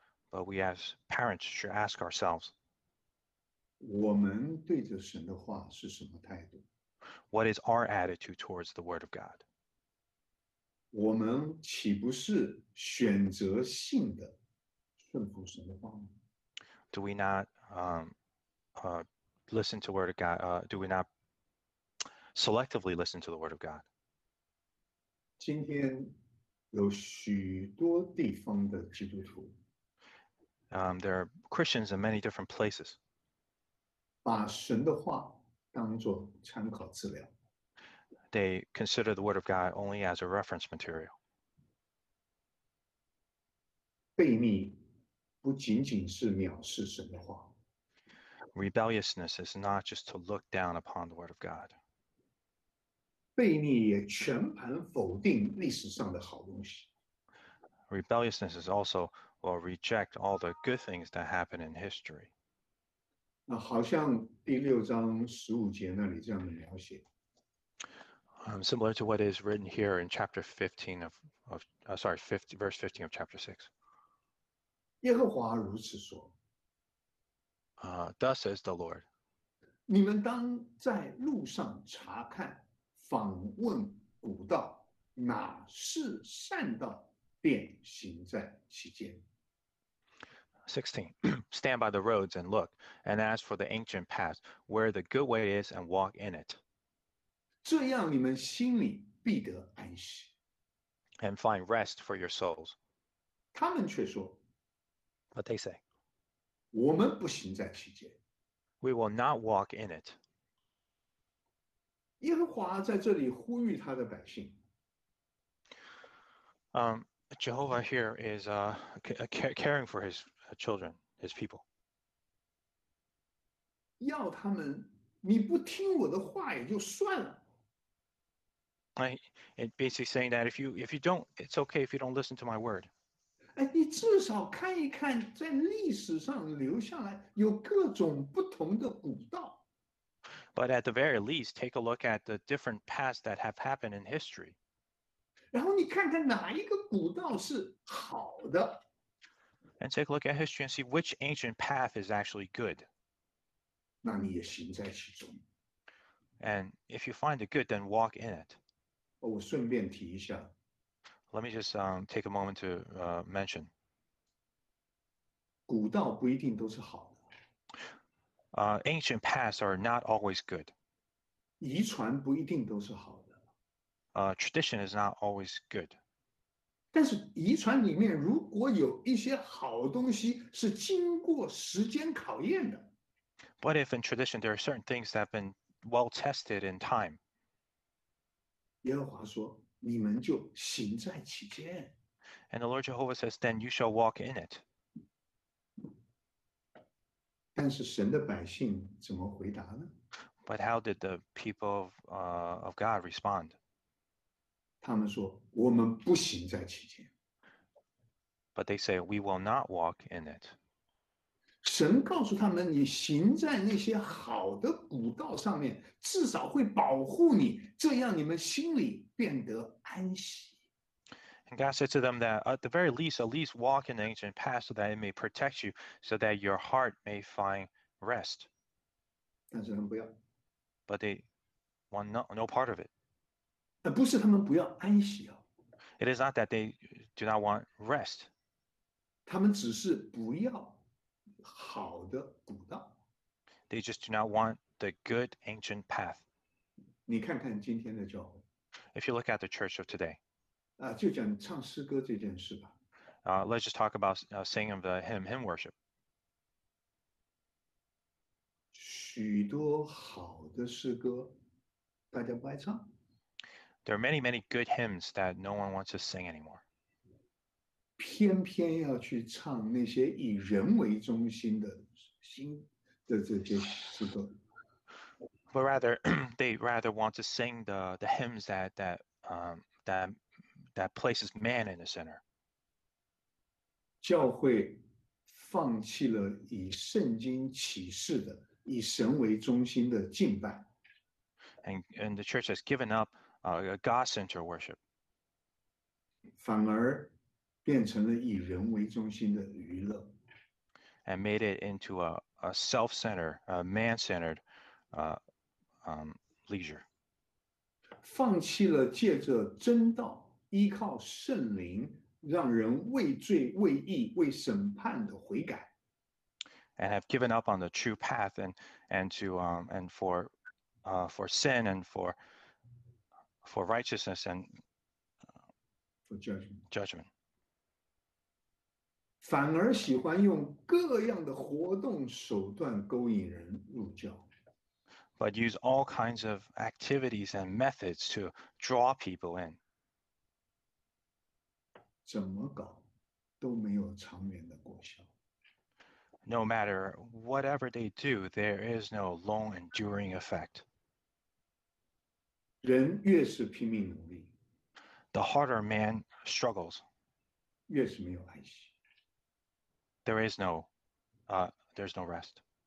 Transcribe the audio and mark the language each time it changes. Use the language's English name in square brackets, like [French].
[English] But we as parents should ask ourselves, [Chinese] 我们对着神的话是什么态度？ [English] What is our attitude towards the Word of God? [Chinese] 我们岂不是选择性的顺服神的话吗？ [English] Do we not listen to the Word of God? Do we not selectively listen to the Word of God? [Chinese] 今天有许多地方的基督徒。 [English] There are Christians in many different places. [Chinese] 把神的话当作参考资料。 [English] They consider the Word of God only as a reference material. [Chinese] 悖逆不仅仅是藐视神的话。 [English] Rebelliousness is not just to look down upon the Word of God. [Chinese] 悖逆也全盘否定历史上的好东西。 [English] Rebelliousness is also will reject all the good things that happen in history. [Chinese] 那好像第六章十五节那里这样的描写。 [English] Similar to what is written here in chapter 15 verse 15 of chapter 6. [Chinese] 耶和华如此说。 [English] Thus says the Lord. [Chinese] 你们当在路上查看，访问古道，哪是善道，便行在其间。 [English] 16. Stand by the roads and look, and ask for the ancient path, where the good way is, and walk in it. [Chinese] 这样你们心里必得安息。 [English] And find rest for your souls. [Chinese] 他们却说, [English] But they say, [Chinese] 我们不行在其间。 [English] We will not walk in it. [Chinese] 耶和华在这里呼吁他的百姓。 [English] Jehovah here is caring for his children, his people. [Chinese] 要他们，你不听我的话也就算了。 [English] It's basically saying that if you don't, it's okay if you don't listen to my word. [Chinese] 你至少看一看在历史上留下来有各种不同的古道。 [English] But at the very least, take a look at the different paths that have happened in history. [Chinese] 然后你看看哪一个古道是好的。 [English] And take a look at history and see which ancient path is actually good. [Chinese] 那你也行在其中。 [English] And if you find the good, then walk in it. [Chinese] 我顺便提一下。 [English] Let me just take a moment to mention. [Chinese] 古道不一定都是好的。 [English] Ancient paths are not always good. [Chinese] 遗传不一定都是好的。 [English] Tradition is not always good. [Chinese] 但是遗传里面如果有一些好东西是经过时间考验的。 [English] But if in tradition there are certain things that have been well tested in time. [Chinese] 耶和华说你们就行在其间。 [English] And the Lord Jehovah says, then you shall walk in it. [Chinese] 但是神的百姓怎么回答呢？ [English] But how did the people of God respond? [Chinese] 他们说我们不行在其间。 [English] But they say we will not walk in it. [Chinese] 神告诉他们你行在那些好的古道上面至少会保护你这样你们心里变得安息。 [English] And God said to them that at the very least, at least walk in the ancient path so that it may protect you, so that your heart may find rest. [Chinese] 但是他们不要。 [English] But they want no part of it. [Chinese] 不是他们不要安息啊。 [English] It is not that they do not want rest. [Chinese] 他们只是不要好的古道。 [English] They just do not want the good ancient path. [Chinese] 你看看今天的教会。 [English] If you look at the church of today. [Chinese] 啊，就讲唱诗歌这件事吧。 [English] Let's just talk about singing of the hymn worship. [Chinese] 许多好的诗歌，大家不爱唱。 [English] There are many, many good hymns that no one wants to sing anymore. [Chinese] 偏偏要去唱那些以人为中心的心的这些诗歌。 [English] But rather, they rather want to sing the hymns that places man in the center. [Chinese] 教会放弃了以圣经启示的、以神为中心的敬拜。 [English] And the church has given up a God-centered worship. [Chinese] 反而变成了以人为中心的娱乐。 [English] And made it into a self-centered, a man-centered, leisure. [Chinese] 放弃了借着真道、依靠圣灵，让人为罪、为义、为审判的悔改。 [English] And have given up on the true path and for sin and for righteousness and for judgment. [Chinese] 反而喜欢用各样的活动手段勾引人入教。 [English] But use all kinds of activities and methods to draw people in. [Chinese] 怎么搞都没有长远的果效。 [English] No matter whatever they do, there is no long enduring effect. [Chinese] 人越是拼命努力， [English] the harder man struggles, [Chinese] 越是没有安息。 [English] There is no, there's no rest.